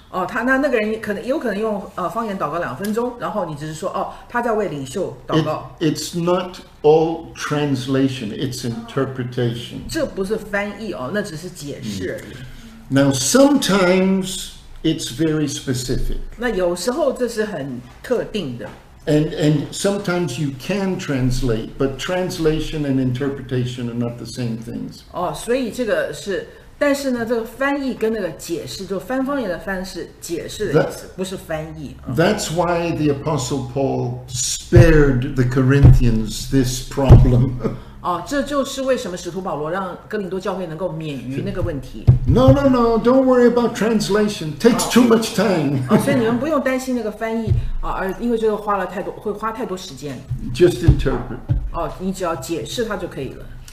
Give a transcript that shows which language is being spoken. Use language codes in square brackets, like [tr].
[zh] 那个人可能有可能用方言祷告2分钟，然后你只是说他在为领袖祷告。 [en] It's not all translation. It's interpretation. [zh] 这不是翻译那只是解释而已。 [en] Now sometimes it's very specific. [zh] 那有时候这是很特定的。 [en] And sometimes you can translate, but translation and interpretation are not the same things. [zh] 所以这个是，但是呢，这个翻译跟那个解释，就翻方言的翻是解释的意思，不是翻译。 [en] That's why the Apostle Paul spared the Corinthians this problem. [zh] 哦，这就是为什么使徒保罗让哥林多教会能够免于那个问题。 [en] No, no, no, don't worry about translation. Takes too much time. [zh] 哦，所以你们不用担心那个翻译啊，而因为这个花了太多，会花太多时间。 [en] Just interpret. [zh] 哦，你只要解释它就可以了。